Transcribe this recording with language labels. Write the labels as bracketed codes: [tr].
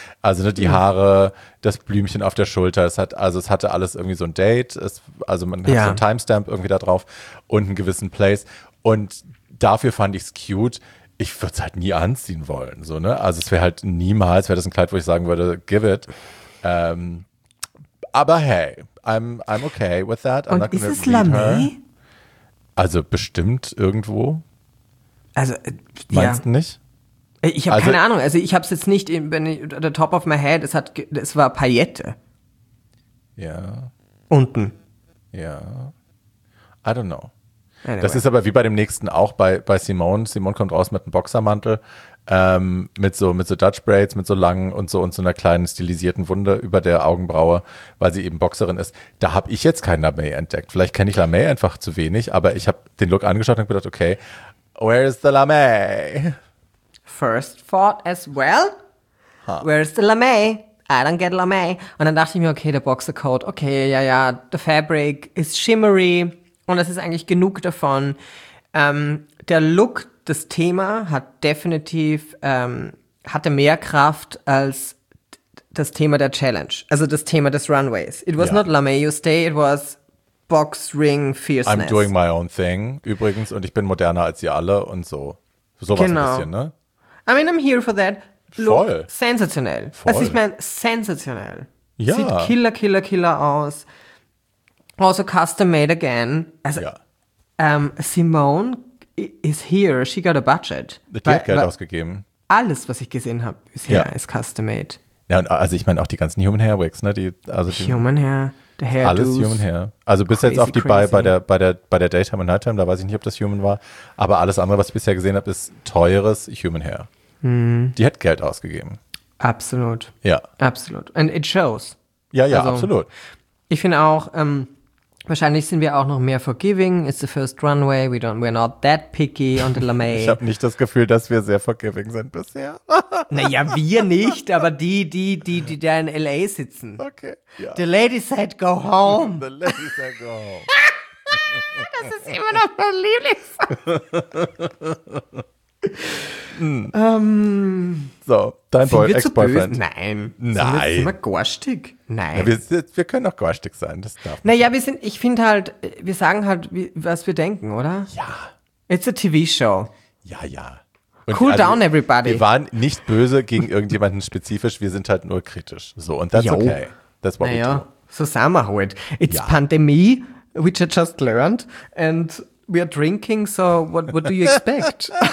[de] Also ne, die Haare, das Blümchen auf der Schulter, es hatte alles irgendwie so ein Date, man hat so ein Timestamp irgendwie da drauf und einen gewissen Place. Und dafür fand ich es cute. Ich würde es halt nie anziehen wollen. So, ne? Also es wäre halt niemals, wäre das ein Kleid, wo ich sagen würde, [en] give it. Aber hey, I'm okay with that. [de] Und ist es Lamé? Also bestimmt irgendwo. Also, meinst du nicht? Ich habe keine Ahnung. Also ich habe es jetzt nicht, [en] the top of my head, [de] es war Paillette. Ja. Unten. [en] Ja. I don't know. Anyway. [de] Das ist aber wie bei dem nächsten auch, bei Simone. Simone kommt raus mit einem Boxermantel, mit so Dutch Braids, mit so langen und so einer kleinen stilisierten Wunde über der Augenbraue, weil sie eben Boxerin ist. Da habe ich jetzt keinen Lamé entdeckt. Vielleicht kenne ich Lamé einfach zu wenig, aber ich habe den Look angeschaut und gedacht, okay, [en] where is the Lamé? First thought as well. Huh. Where is the Lamé? I don't get Lamé. [de] Und dann dachte ich mir, okay, der Boxercoat, okay, ja, [en] the fabric is shimmery. [de] Und es ist eigentlich genug davon. Der Look, das Thema hat definitiv, hatte mehr Kraft als das Thema der Challenge. Also das Thema des Runways. [en] It was not Lamé You Stay, it was Box Ring Fierceness. I'm doing my own thing, [de] übrigens, und ich bin moderner als ihr alle und so. Sowas genau. Ein bisschen, ne? [en] I mean, I'm here for that. [de] Look, voll. Sensationell. Voll. Also ich meine, sensationell. Ja. Sieht killer, killer, killer aus. Also custom made again. Also, ja. [en] Simone is here. She got a budget. [de] Die hat Geld ausgegeben. Alles, was ich gesehen habe bisher, ist custom made. Ja, und also ich meine auch die ganzen Human Hair Wigs, ne? Human Hair, the Hair. Alles Human Hair. Also bis jetzt auf die bei der Daytime und Nighttime, da weiß ich nicht, ob das Human war. Aber alles andere, was ich bisher gesehen habe, ist teures Human Hair. Mhm. Die hat Geld ausgegeben. Absolut. Ja. [en] Absolut. And it shows. [de] Ja, also, absolut. Ich finde auch, wahrscheinlich sind wir auch noch mehr forgiving. [en] It's the first runway. We're not that picky on the Lamé. [de] Ich habe nicht das Gefühl, dass wir sehr forgiving sind bisher. Naja, wir nicht, aber die da in L.A. sitzen. Okay. Ja. [en] The lady said go home. The lady said go home. [de] Das ist immer noch mein Lieblings. So, dein Ex-Boyfriend. Nein. Sind wir gorstig? Nein. Ja, wir können auch gorstig sein, das darf man. Naja, ich finde halt, wir sagen halt, was wir denken, oder? Ja. [en] It's a TV-Show. [de] Ja. [en] Und cool down, everybody. [de] Wir waren nicht böse gegen irgendjemanden spezifisch, wir sind halt nur kritisch. [en] So, und that's okay. That's what [de] we do. So sind wir halt. [en] It's Pandemie, which I just learned, and we are drinking, so what do you expect?